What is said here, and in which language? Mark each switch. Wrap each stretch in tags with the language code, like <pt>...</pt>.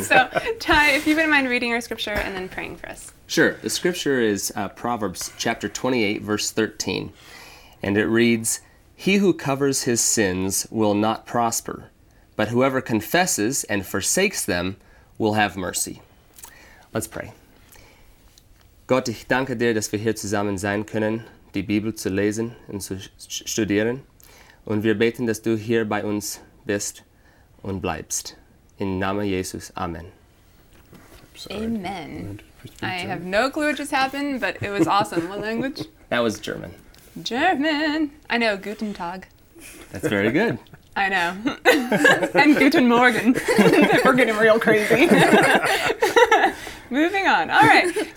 <en>So, Ty, if you wouldn't mind reading our scripture and then praying for us. Sure. The scripture is Proverbs chapter 28, verse 13. And it reads, "He who covers his sins will not prosper, but whoever confesses and forsakes them will have mercy." Let's pray.</en> <de>Gott, ich danke dir, dass wir hier zusammen sein können, die Bibel zu lesen und zu studieren. Und wir beten, dass du hier bei uns bist und bleibst. In Name Jesus, Amen.</de> <en>Amen. I have no clue what just happened, but it was awesome. What language? That was German. German. I know,</en> <de>Guten Tag.</de> <en>That's very good. I know. And</en> <de>Guten Morgen.</de> <en>We're getting real crazy. Moving on. All right.</en>